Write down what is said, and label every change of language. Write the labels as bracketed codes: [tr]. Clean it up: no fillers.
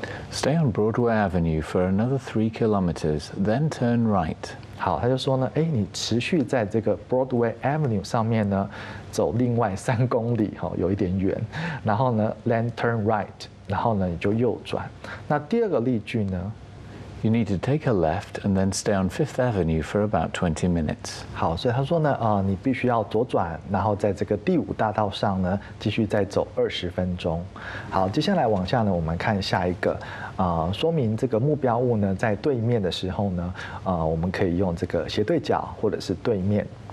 [en] Stay on Broadway Avenue for another 3 kilometers, then turn right. [zh] 好，他就说呢，你持续在这个 Broadway Avenue 上面呢，走另外3公里，有一点远。然后呢 ， [en] then turn right， [zh] 然后呢，你就右转。那第二个例句呢 [en] ？You need to take a left and then stay on Fifth Avenue for about 20 minutes. [zh] 好，所以他说呢，你必须要左转，然后在这个第五大道上呢，继续再走20分钟。好，接下来往下呢，我们看下一个。说明这个目标物呢在对面的时候呢，我们可以用这个斜对角或者是对面